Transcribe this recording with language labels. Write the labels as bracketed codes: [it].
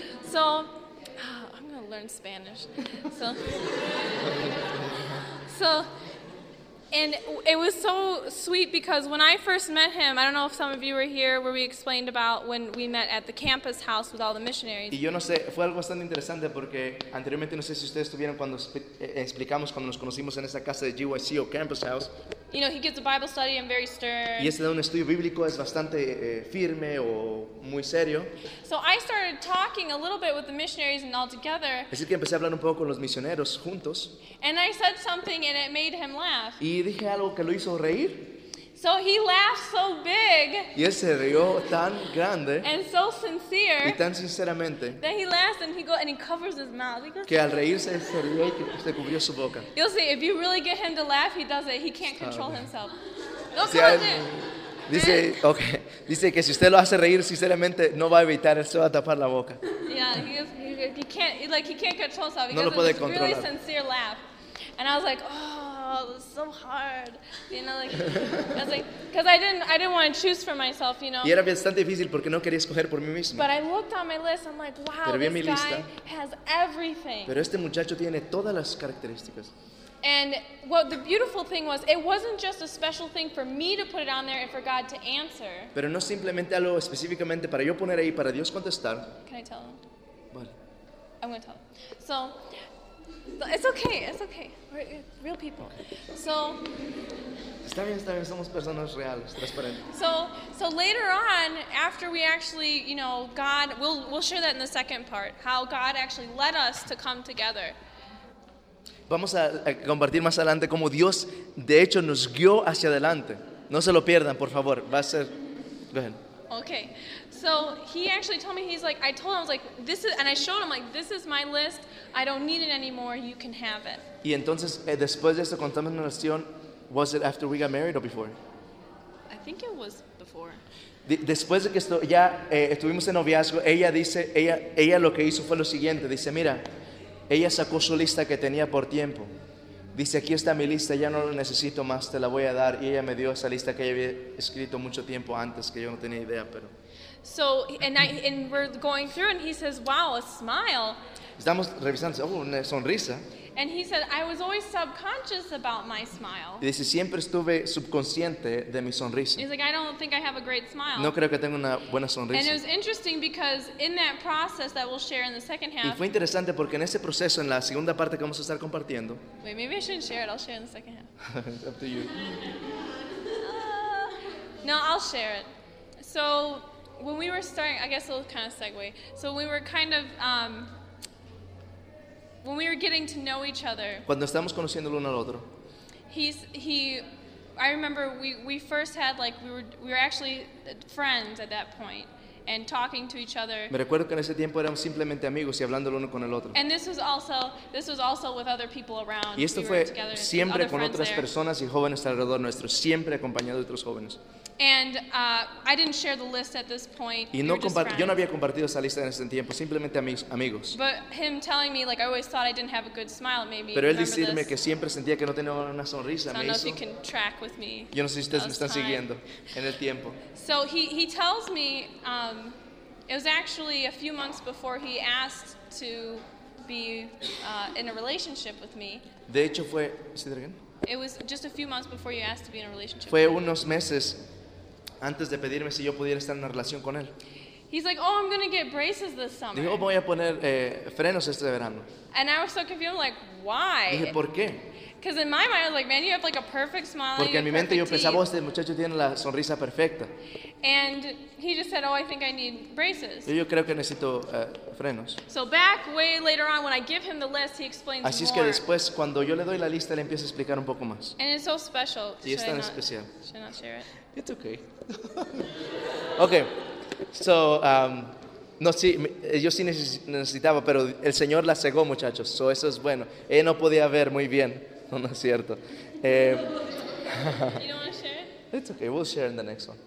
[en] So, I'm going to learn Spanish. So, and it was so sweet because when I first met him, I don't know if some of you were here where we explained about when we met at the campus house with all the missionaries. [es] Y yo no sé, fue algo bastante interesante porque anteriormente no sé si ustedes estuvieron cuando explicamos cuando nos conocimos en esa casa de GYC o campus house. [en] You know, he gives a Bible study and very stern. [es] Y ese da un estudio bíblico, es bastante firme o muy serio. [en] So I started talking a little bit with the missionaries and all together. [es] Es decir, que empecé a hablar un poco con los misioneros juntos. [en] And I said something and it made him laugh. [es] Y dije algo que lo hizo reír. [en] So he laughed so big. [es] Y él se rió tan grande. [en] And so sincere. [es] Y tan sinceramente. [en] That he laughs and he covers his mouth. [es] Que al reírse se rió y se cubrió su boca. [en] You'll see, if you really get him to laugh, he does it. He can't control himself. No, come on, dude. [es] Dice, okay. Dice que si usted lo hace reír sinceramente, no va a evitar, él se va a tapar la boca. [en] Yeah, he can't control himself. [es] He no lo puede controlar. [en] Really sincere laugh. And I was like, oh. Oh, it was so hard, you know, because I didn't want to choose for myself, you know. [es] Y era bastante difícil porque no quería escoger por mí mismo. [en] But I looked on my list, I'm like, wow, [es] Pero vi mi lista. [en] Has everything. [es] Pero este muchacho tiene todas las características. [en] And what the beautiful thing was, it wasn't just a special thing for me to put it on there and for God to answer. [es] Pero no simplemente algo específicamente para yo poner ahí para Dios contestar. [en] Can I tell him? [es] Vale. [en] I'm going to tell him. So, it's okay, it's okay. We're real people. So, [es] está bien, somos personas reales, transparentes. [en] So later on, after we actually, you know, God, we'll share that in the second part, how God actually led us to come together. [es] Vamos a compartir más adelante cómo Dios, de hecho, nos guió hacia adelante. No se lo pierdan, por favor. Va a ser, [en] go ahead. Okay. So he actually told me, he's like, I told him, I was like, this is, and I showed him, like, this is my list, I don't need it anymore, you can have it. [es] Y entonces, después de eso, contamos una oración, [en] was it after we got married or before? I think it was before. [es] Después de que esto, ya estuvimos en noviazgo, ella dice, ella lo que hizo fue lo siguiente, dice, mira, ella sacó su lista que tenía por tiempo. Dice, aquí está mi lista, ya no la necesito más, te la voy a dar. Y ella me dio esa lista que ella había escrito mucho tiempo antes, que yo no tenía idea, pero... [en] So, and we're going through, and he says, "Wow, a smile." [es] Estamos revisando, oh, una sonrisa. [en] And he said, "I was always subconscious about my smile." [es] Y dice, siempre estuve subconsciente de mi sonrisa. [en] He's like, "I don't think I have a great smile." [es] No creo que tenga una buena sonrisa. [en] And it was interesting because in that process that we'll share in the second half. [es] Y fue interesante porque en ese proceso, en la segunda parte que vamos a estar compartiendo. [en] Wait, maybe I shouldn't share it. I'll share it in the second half. It's up to you. No, I'll share it. So when we were starting, I guess it'll kind of segue. So we were kind of. When we were getting to know each other, [es] cuando estábamos conociendo el uno al otro, [en] I remember we first had like we were actually friends at that point and talking to each other. [es] Me recuerdo que en ese tiempo éramos simplemente amigos y hablando el uno con el otro. [en] And this was also with other people around. [es] Y esto fue siempre con otras personas y jóvenes alrededor nuestro, siempre acompañado de otros jóvenes. [en] And I didn't share the list at this point. [es] Y no yo no había compartido esa lista en ese tiempo, simplemente amigos. [en] But him telling me, like, I always thought I didn't have a good smile, maybe. [es] Pero él decirme que siempre sentía que no tenía una sonrisa, me hizo. [en] I don't know if you can track with me. [es] Yo no sé si ustedes me están siguiendo en el tiempo. [en] So he tells me, it was actually a few months before he asked to be in a relationship with me. [es] De hecho fue, ¿sí de alguien? [en] It was just a few months before you asked to be in a relationship [es] fue [en] with me. [es] Fue unos meses antes de pedirme si yo pudiera estar en una relación con él. [en] He's like, "Oh, I'm going to get braces this summer." [es] Dijo, "Voy a poner frenos este verano." [en] And I was so confused, like, why? [es] Dije, ¿por qué? [en] Because in my mind, I was like, man, you have like a perfect smile. [es] Porque en mi mente yo pensaba, oh, este muchacho tiene la sonrisa perfecta. [en] And he just said, "Oh, I think I need braces." [es] Yo creo que necesito frenos. [en] So back way later on, when I give him the list, he explains [es] así [en] more. [es] Es que después, cuando yo le doy la lista, le empiezo a explicar un poco más. [en] And it's so special. [es] Y es tan especial. [en] Should I not share it? It's okay. Okay. [es] So, no, sí, yo sí necesitaba, pero el Señor la cegó, muchachos. So, eso es bueno. Ella no podía ver muy bien. No, no es cierto. [en] You don't want to share it? It's okay. We'll share in the next one.